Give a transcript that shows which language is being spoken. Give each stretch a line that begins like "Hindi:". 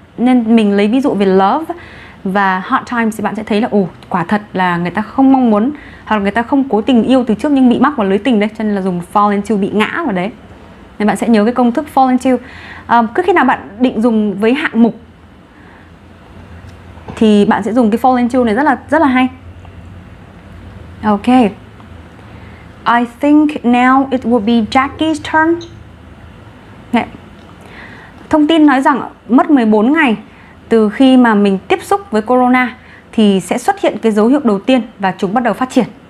Vietnamese: Nên mình lấy ví dụ về love và hard times thì bạn sẽ thấy là ồ, quả thật là người ta không mong muốn hoặc là người ta không cố tình yêu từ trước nhưng bị mắc vào lưới tình đấy. Cho nên là dùng fall into, bị ngã vào đấy. Nên bạn sẽ nhớ cái công thức fall into. Cứ khi nào bạn định dùng với hạng mục thì bạn sẽ dùng cái fall into này rất là hay.
English: Ok, I think now it will be Jackie's turn. Okay.
Vietnamese: Thông tin nói rằng mất 14 ngày từ khi mà mình tiếp xúc với corona thì sẽ xuất hiện cái dấu hiệu đầu tiên và chúng bắt đầu phát triển.